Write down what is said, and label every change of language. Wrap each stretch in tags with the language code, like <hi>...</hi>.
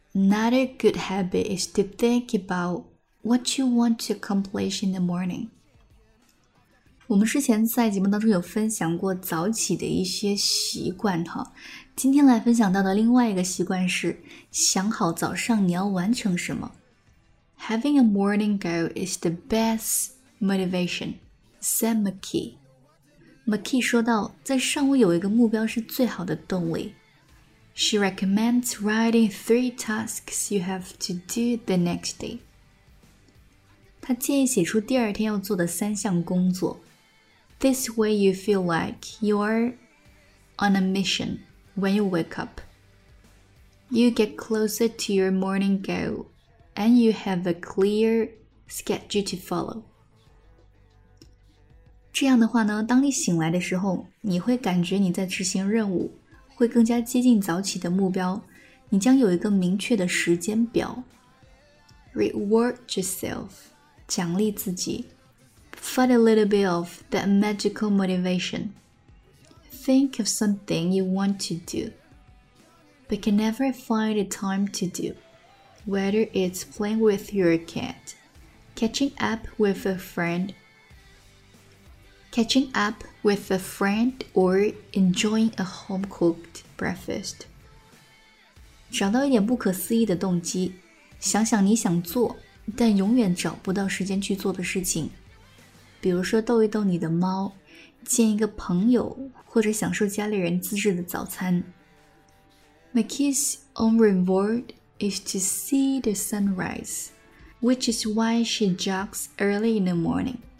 <en>Not a good habit is to think about what you want to accomplish in the morning。</en> <zh>我们之前在节目当中有分享过早起的一些习惯哈，今天来分享到的另外一个习惯是想好早上你要完成什么。</zh> <en>Having a morning goal is the best motivation, said McKee.</en> <zh>McKee 说道，在上午有一个目标是最好的动力。</zh> <en>She recommends writing 3 tasks you have to do the next day.</en> <zh>她建议写出第二天要做的三项工作。</zh> <en>This way you feel like you're on a mission when you wake up. You get closer to your morning goal, and you have a clear schedule to follow.</en> <zh>这样的话呢，当你醒来的时候，你会感觉你在执行任务，会更加接近早起的目标，你将有一个明确的时间表。</zh> <en>Reward yourself,</en> <zh>奖励自己。</zh> <en>Find a little bit of that magical motivation. Think of something you want to do, but can never find the time to do. Whether it's playing with your cat, catching up with a friend, or enjoying a home-cooked breakfast.</en> <zh>找到一点不可思议的动机，想想你想做，但永远找不到时间去做的事情。比如说逗一逗你的猫，见一个朋友，或者享受家里人自制的早餐。</zh> <en>McKee's own reward is to see the sunrise, which is why she jogs early in the morning.</en>